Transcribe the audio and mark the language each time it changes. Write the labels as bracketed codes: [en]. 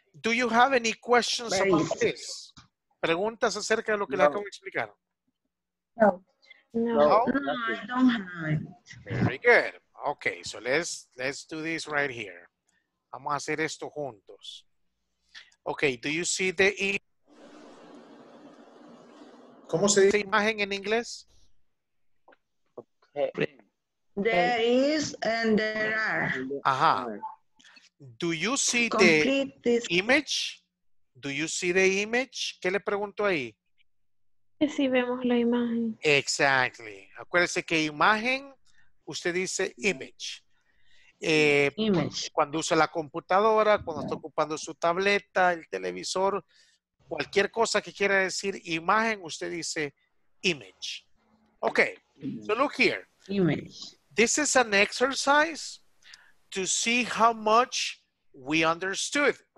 [en] Do you have any questions very about easy. This? [es] ¿Preguntas acerca de lo que no. le acabo de explicar? No. [en] No, I don't have. Very good. Okay, so let's do this right here. [es] Vamos a hacer esto juntos. [en] Okay, do you see the [es] ¿Cómo se dice imagen en inglés? [en] There is and there are. Ajá. Do you see the image? Do you see the image? [es] ¿Qué le pregunto ahí? Si vemos la imagen. Exactly. Acuérdese que imagen, usted dice image. [en] Image. [es] Cuando usa la computadora, cuando está ocupando su tableta, el televisor, cualquier cosa que quiera decir imagen, usted dice image. [en] Okay. Image. So look here. Image. This is an exercise to see how much we understood.